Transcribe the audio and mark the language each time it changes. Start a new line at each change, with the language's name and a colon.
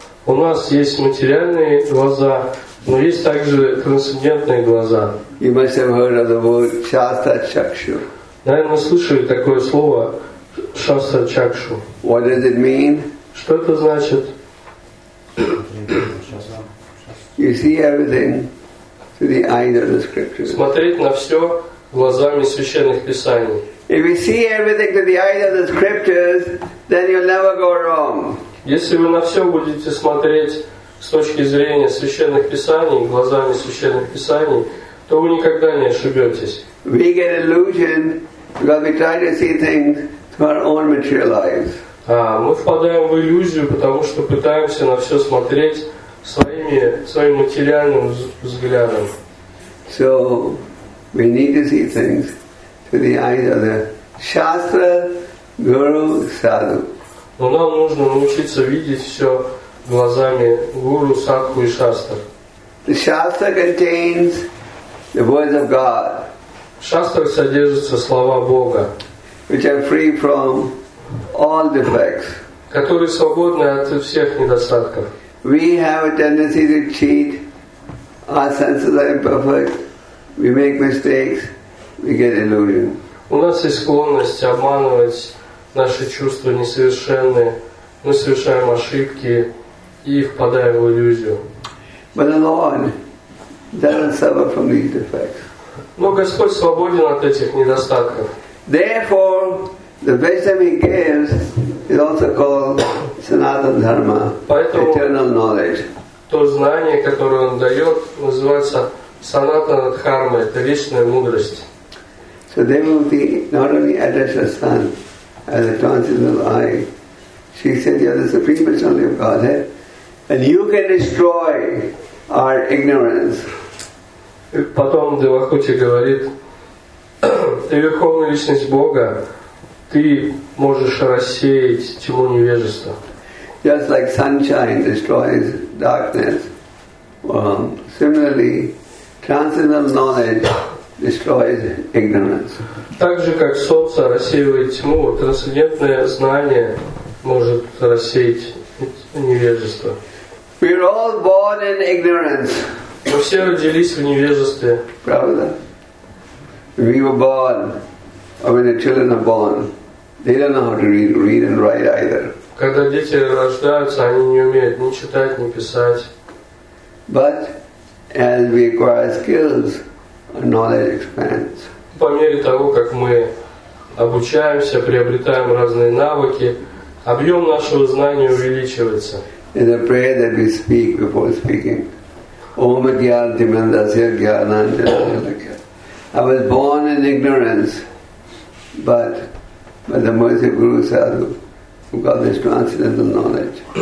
Russian: У нас есть материальные глаза, но есть также трансцендентные глаза.
English: You must have heard of the word Shastra Chakshu.
Russian: Наверное, слышали такое слово Shastra Chakshu.
English: What does it mean?
Russian: Что это значит?
English: You see everything through the eyes of the scriptures.
Russian: Смотреть на все глазами священных писаний.
English: If you see everything through the eyes of the scriptures, then you'll never go wrong.
Russian: Если вы на все будете смотреть с точки зрения священных писаний, глазами священных писаний, то вы никогда не ошибетесь.
English: We get illusion because we try to see things through our own material eyes.
Russian: Мы впадаем в иллюзию, потому что пытаемся на все смотреть своим материальным взглядом.
English: So we need to see things through the eyes of the Shastra, Guru, Sadhu.
Russian: Но нам нужно научиться видеть все глазами Гуру, Садху и Шастры.
English: The Shastra contains the words of God.
Russian: В Шастрах содержатся слова Бога,
English: which are free from all defects.
Russian: Которые свободны от всех недостатков.
English: We have a tendency to cheat. Our senses are imperfect. We make mistakes. We get illusion.
Russian: У нас есть склонность обманывать наши чувства несовершенные. Мы совершаем ошибки и впадаем в иллюзию.
English: But the Lord doesn't suffer from these defects.
Russian: Но Господь свободен от этих недостатков.
English: Therefore, the wisdom He gives is also called Sanatana Dharma,
Russian: поэтому
English: eternal knowledge.
Russian: То знание, которое Он дает, называется Санатана Дхарма, это вечная мудрость.
English: So Devamuti not only addressed her son as a transcendental eye, she said, "You are the supreme personality of Godhead, and you can destroy our ignorance."
Russian: Потом Девахути говорит, ты верховная личность Бога, ты можешь рассеять тьму невежества.
English: Just like sunshine destroys darkness, similarly, transcendental knowledge destroys ignorance.
Russian: Так же, как солнце рассеивает тьму, трансцендентное знание может рассеять невежество.
English: We are all born in ignorance.
Russian: Мы все родились в невежестве. Правда?
English: We were born, or when the children are born, they don't know how to read and write either.
Russian: Когда дети рождаются, они не умеют ни читать, ни писать.
English: But as we acquire skills, our knowledge expands.
Russian: По мере того, как мы обучаемся, приобретаем разные навыки, объем нашего знания увеличивается.
English: In the prayer that we speak before speaking,
Sanskrit: Om Gyan Timandasya Gyananjana Yalakya.
English: I was born in ignorance, but by the mercy of Guru Sadhu, who got this transcendental knowledge.